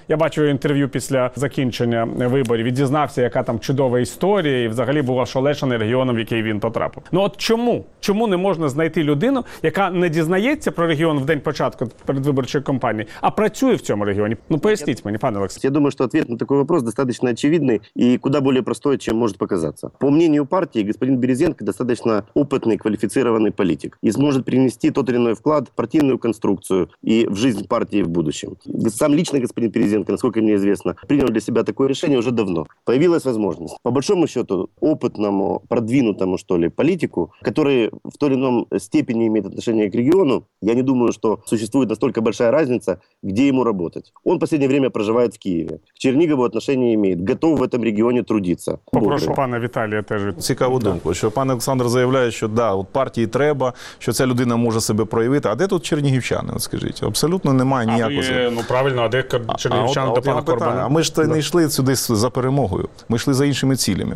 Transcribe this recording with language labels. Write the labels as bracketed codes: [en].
[uk] Я бачив інтерв'ю після закінчення виборів і дізнався, яка там чудова історія, і взагалі був ошелешений регіоном, в який він потрапив. Ну от чому? Чому не можна знайти людину, яка не дізнається про регіон в день початку передвиборчої кампанії, а працює в цьому регіоні? Ну поясніть мені, пане Олексій. Я думаю, що відповідь на такий питання достатньо очевидна і [ru] куда более простой, чем может показаться. По мнению партии, господин Березенко достаточно опытный, квалифицированный политик и сможет принести тот или иной вклад в партийную конструкцию и в жизнь партии в будущем. Сам лично господин Березенко, насколько мне известно, принял для себя такое решение уже давно. Появилась возможность, по большому счету, опытному, продвинутому, что ли, политику, который в той или иной степени имеет отношение к региону, я не думаю, что существует настолько большая разница, где ему работать. Он в последнее время проживает в Киеве. К Чернигову отношение имеет. Готов в этом регионе трудиться. [uk] Попрошу пана Віталія теж. Цікаву думку, що пан Олександр заявляє, що да, от партії треба, що ця людина може себе проявити. А де тут чернігівчани, от скажіть? Абсолютно немає ніякого. Ну, правильно, а де чернігівчани до пана Корбана? А ми ж не йшли сюди за перемогою. Ми йшли за іншими цілями.